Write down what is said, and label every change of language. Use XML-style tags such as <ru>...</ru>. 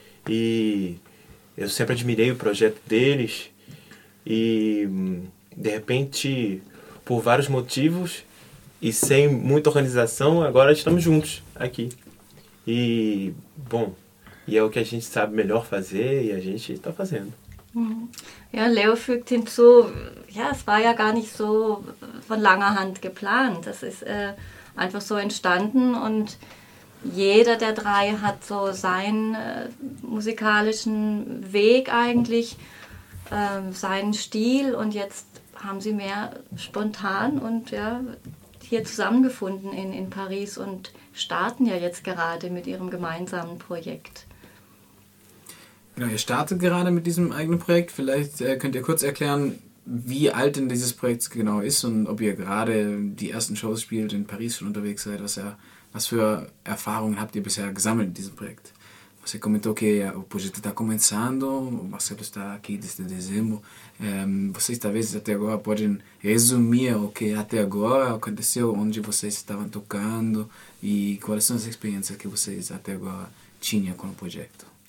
<pt>E eu sempre admirei o projeto deles. E, de repente, por vários motivos e sem muita organização, agora estamos juntos aqui. E, bom, e é o que a gente sabe melhor fazer e a gente está fazendo.</pt> <de>Ja, Leo fügt hinzu, ja, es war ja gar nicht so von langer Hand geplant. Das ist einfach so entstanden und jeder der drei hat so seinen musikalischen Weg eigentlich, seinen Stil und jetzt haben sie mehr spontan und ja, hier zusammengefunden in Paris und starten ja jetzt gerade mit ihrem gemeinsamen Projekt. Genau, ihr startet gerade mit diesem eigenen Projekt. Vielleicht könnt ihr kurz erklären, wie alt denn dieses Projekt genau ist und ob ihr gerade die ersten Shows spielt, in Paris schon unterwegs seid. Was für Erfahrungen habt ihr bisher gesammelt in diesem Projekt?</de> <pt>Você comentou que o projeto está começando, o Marcelo está aqui desde dezembro. Vocês talvez até agora podem resumir o que até agora aconteceu, onde vocês estavam tocando e quais são as experiências que vocês até agora tinham com o projeto?</pt>